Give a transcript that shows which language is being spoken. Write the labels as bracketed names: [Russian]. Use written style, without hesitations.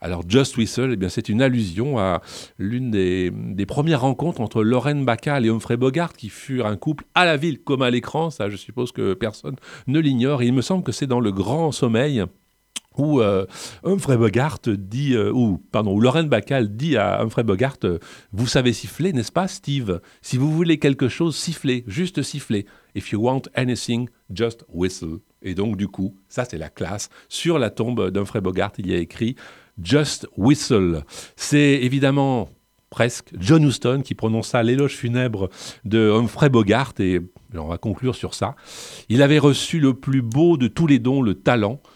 [French] Alors « Just Whistle », eh bien, c'est une allusion à l'une des premières rencontres entre Lorraine Bacall et Humphrey Bogart, qui furent un couple à la ville comme à l'écran, ça je suppose que personne ne l'ignore. Et il me semble que c'est dans le grand sommeil où Humphrey Bogart dit, où Lorraine Bacall dit à Humphrey Bogart, vous savez siffler, n'est-ce pas, Steve? Si vous voulez quelque chose, sifflez, juste sifflez. [English] If you want anything, just whistle. [French] Et donc, du coup, ça, c'est la classe. Sur la tombe d'Humphrey Bogart, il y a écrit Just Whistle. C'est évidemment presque John Huston qui prononça l'éloge funèbre de Humphrey Bogart. Et on va conclure sur ça. Il avait reçu le plus beau de tous les dons, le talent.